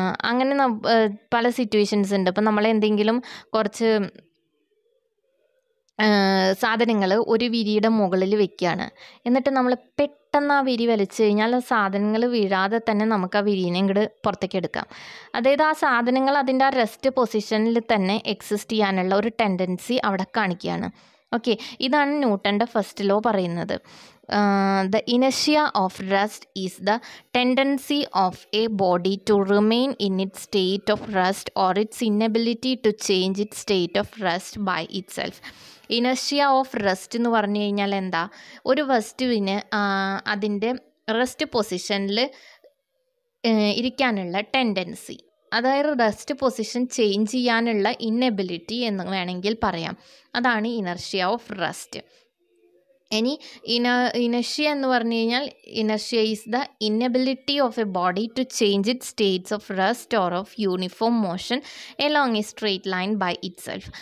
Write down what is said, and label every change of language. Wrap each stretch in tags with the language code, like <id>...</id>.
<ml>അങ്ങനെ പല സിറ്റുവേഷൻസ് ഉണ്ട്. ഇപ്പം നമ്മളെന്തെങ്കിലും കുറച്ച് സാധനങ്ങൾ ഒരു വിരിയുടെ മുകളിൽ വെക്കുകയാണ്, എന്നിട്ട് നമ്മൾ പെട്ടെന്ന് ആ വിരി വലിച്ചു കഴിഞ്ഞാൽ ആ സാധനങ്ങൾ വീഴാതെ തന്നെ നമുക്ക് ആ വിരിനെ ഇങ്ങോട്ട് പുറത്തേക്ക് എടുക്കാം. അതായത് ആ സാധനങ്ങൾ അതിൻ്റെ ആ റെസ്റ്റ് പൊസിഷനിൽ തന്നെ എക്സിസ്റ്റ് ചെയ്യാനുള്ള ഒരു ടെൻഡൻസി അവിടെ കാണിക്കുകയാണ്. ഓക്കെ, ഇതാണ് ന്യൂട്ടൻ്റെ ഫസ്റ്റ് ലോ പറയുന്നത്.</ml> <en>The inertia of rest is the tendency of a body to remain in its state of rest or its inability to change its state of rest by itself.</en> <ml>Inertia of rest എന്ന് പറഞ്ഞു കഴിഞ്ഞാൽ എന്താ, ഒരു വസ്തുവിന് അതിൻ്റെ rest പൊസിഷനിൽ ഇരിക്കാനുള്ള tendency, അതായത് റെസ്റ്റ് പൊസിഷൻ ചേഞ്ച് ചെയ്യാനുള്ള ഇന്നബിലിറ്റി എന്ന് വേണമെങ്കിൽ പറയാം. അതാണ് ഇനർഷ്യ ഓഫ് റെസ്റ്റ്. ഇനി ഇനർഷ്യ എന്ന് പറഞ്ഞു കഴിഞ്ഞാൽ</ml> <en>Inertia is the inability of a body to change it states of rest or of uniform motion along a straight line by itself.</en>